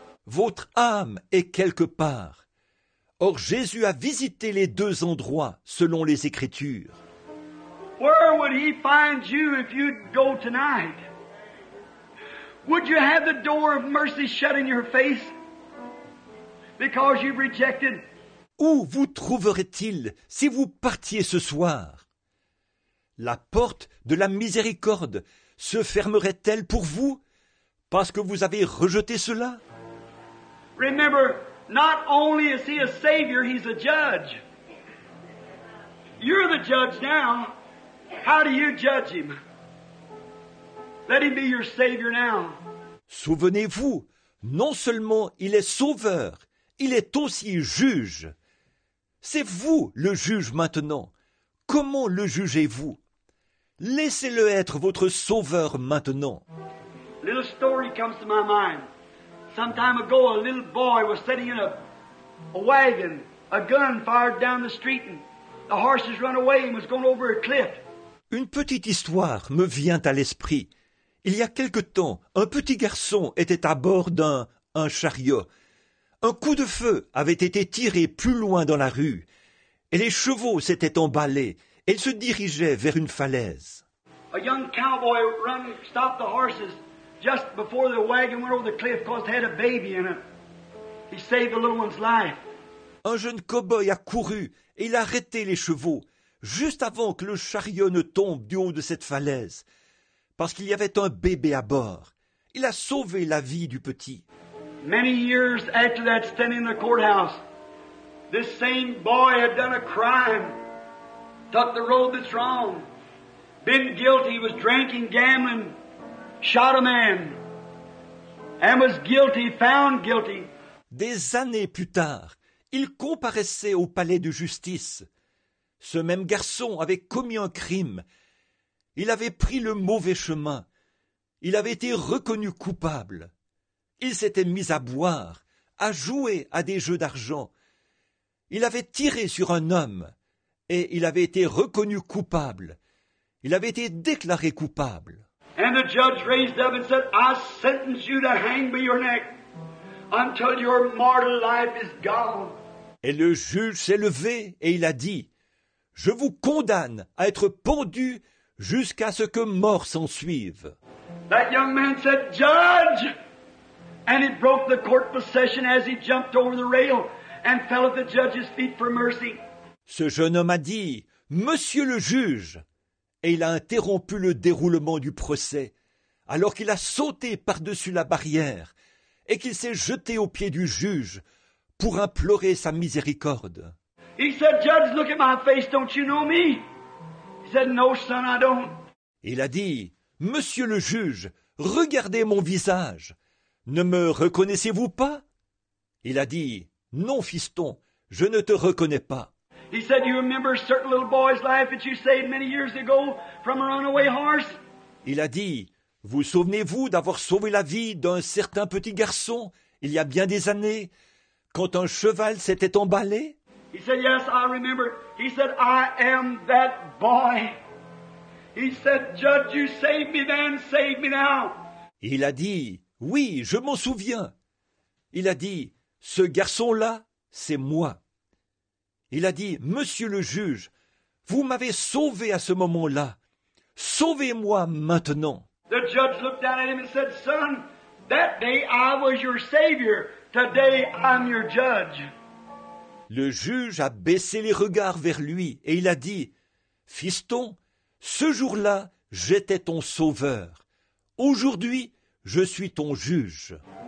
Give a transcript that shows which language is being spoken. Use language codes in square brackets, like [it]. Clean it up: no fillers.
[fr] Votre âme est quelque part. Or Jésus a visité les deux endroits selon les Écritures. [en] Where would he find you if you'd go tonight? Would you have the door of mercy shut in your face because you've rejected? [fr] Où vous trouverait-il si vous partiez ce soir? La porte de la miséricorde se fermerait-elle pour vous parce que vous avez rejeté cela? [en] Remember, not only is he a savior, he's a judge. You're the judge now. How do you judge him? Let him be your savior now. [fr] Souvenez-vous, Non seulement il est sauveur, il est aussi juge. C'est vous le juge maintenant. Comment le jugez-vous? Laissez-le être votre sauveur maintenant. [en] Little story comes to my mind. Some time ago, a little boy was sitting in a wagon. A gun fired down the street and the horses run away and was going over a cliff. [fr] Une petite histoire me vient à l'esprit. Il y a quelque temps, un petit garçon était à bord d'un chariot. Un coup de feu avait été tiré plus loin dans la rue et les chevaux s'étaient emballés et ils se dirigeaient vers une falaise. [en] A young cowboy run stopped the horses just before the wagon went over the cliff because it had a baby in it. He saved the little one's life. [fr] Un jeune cow-boy a couru et il a arrêté les chevaux juste avant que le chariot ne tombe du haut de cette falaise parce qu'il y avait un bébé à bord. Il a sauvé la vie du petit. [en] Many years after that, standing in the courthouse, this same boy had done a crime, took the road that's wrong, been guilty, was drinking, gambling, shot a man, and was guilty, found guilty. [fr] Des années plus tard, il comparaissait au palais de justice. Ce même garçon avait commis un crime. Il avait pris le mauvais chemin. Il avait été reconnu coupable. Il s'était mis à boire, à jouer à des jeux d'argent. Il avait tiré sur un homme et il avait été reconnu coupable. Il avait été déclaré coupable. [en] And the judge raised up and said, I sentence you to hang by your neck until your mortal life is gone. [fr] Et le juge s'est levé et il a dit, « Je vous condamne à être pendu jusqu'à ce que mort s'en suive. » [en] That young man said, « Judge !» And he broke the court procession as he jumped over the rail and fell at the judge's feet for mercy. [fr] Ce jeune homme a dit, « Monsieur le juge !» Et il a interrompu le déroulement du procès, alors qu'il a sauté par-dessus la barrière et qu'il s'est jeté aux pieds du juge, pour implorer sa miséricorde. [en] He said, Judge, look at my face, don't you know me? He said, no, son, I don't. [fr] Il a dit, Monsieur le juge, regardez mon visage. Ne me reconnaissez-vous pas? Il a dit, non, fiston, je ne te reconnais pas. He said, you remember a certain little boy's life that you saved many years ago from a runaway horse? Il a dit, vous souvenez-vous d'avoir sauvé la vie d'un certain petit garçon il y a bien des années? Quand un cheval s'était emballé, [en] he said, yes, I remember. He said, I am that boy. He said, Judge, you saved me then, save me now. [fr] Il a dit, oui, je m'en souviens. Il a dit, ce garçon-là, c'est moi. Il a dit, Monsieur le juge, vous m'avez sauvé à ce moment-là. Sauvez-moi maintenant. [en] The judge looked down at him and said, Son, that day I was your savior. Today, I'm your judge. [fr] Le juge a baissé les regards vers lui et il a dit, « Fiston, ce jour-là, j'étais ton sauveur. Aujourd'hui, je suis ton juge. »